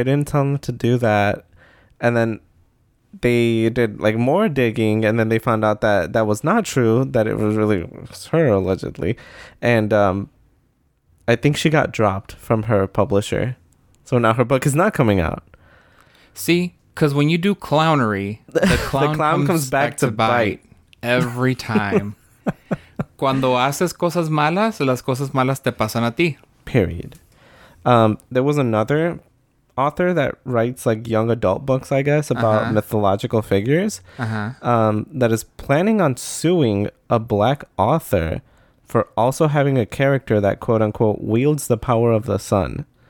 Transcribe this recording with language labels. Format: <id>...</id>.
<en>I didn't tell them to do that. And then they did like more digging and then they found out that that was not true, that it was really her allegedly. And I think she got dropped from her publisher. So now her book is not coming out. See, because when you do clownery, the clown comes back to bite. Every time.</en> <es>Cuando haces cosas malas, las cosas malas te pasan a ti.</es> <en>Period. There was another author that writes like young adult books, I guess, about mythological figures. That is planning on suing a black author for also having a character that quote unquote wields the power of the sun.</en>